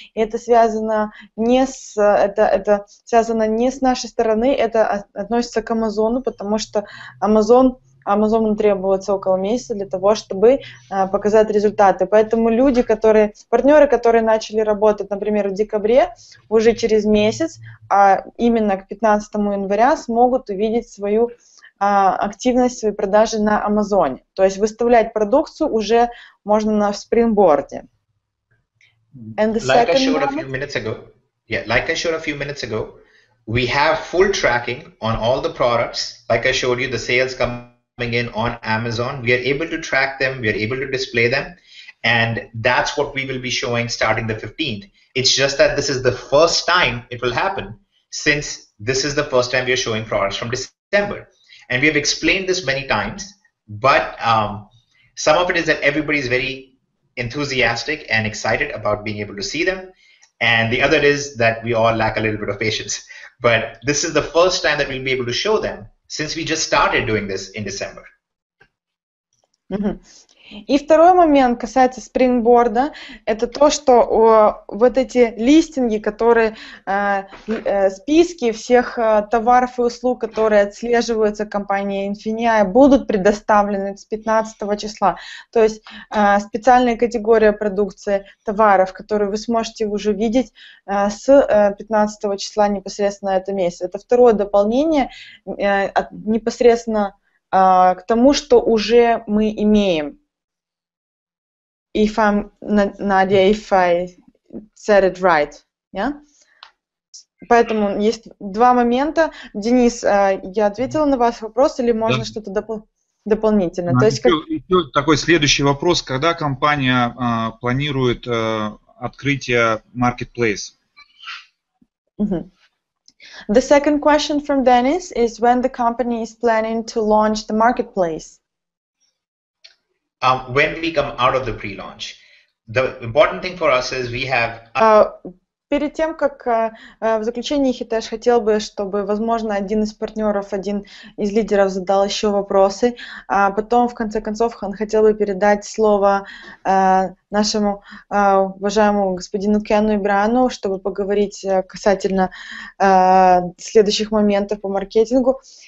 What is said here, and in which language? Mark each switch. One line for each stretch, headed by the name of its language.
Russian: И это связано не с, это связано не с нашей стороны, это относится к Амазону, потому что Амазону требуется около месяца для того, чтобы показать результаты. Поэтому люди, которые, партнеры, которые начали работать, например, в декабре, уже через месяц, а именно к 15 января, смогут увидеть свою активность своей продажи на Амазоне. То есть выставлять продукцию уже можно на Springboard'е.
English: And the like second I showed a few minutes ago, we have full tracking on all the products. Like I showed you, the sales coming in on Amazon, we are able to track them, we are able to display them, and that's what we will be showing starting the 15th. It's just that this is the first time it will happen, since this is the first time we are showing products from December. And we have explained this many times, but some of it is that everybody is very enthusiastic and excited about being able to see them. And the other is that we all lack a little bit of patience. But this is the first time that we'll be able to show them since we just started doing this in December.
Russian: И второй момент касается Springboard'а, это то, что вот эти листинги, которые списки всех товаров и услуг, которые отслеживаются компанией Infinii, будут предоставлены с 15 числа. То есть специальная категория продукции товаров, которые вы сможете уже видеть с 15 числа непосредственно на этом месяце. Это второе дополнение непосредственно к тому, что уже мы имеем.
English: If I'm Nadia, if I said it right, yeah.
Russian: Поэтому есть два момента. Денис, я ответила на ваш вопрос, или можно да. Что-то дополнительно? То есть, еще такой следующий вопрос: когда компания планирует открытие marketplace?
English: The second question from Dennis is when the company is planning to launch the marketplace. When we come out of the pre-launch, the important thing for us is we have.
Russian: Перед тем как в заключении Хитеш хотел бы, чтобы, возможно, один из партнеров, один из лидеров задал еще вопросы, а потом в конце концов он хотел бы передать слово нашему уважаемому господину Кену и Брану, чтобы поговорить касательно следующих моментов по маркетингу.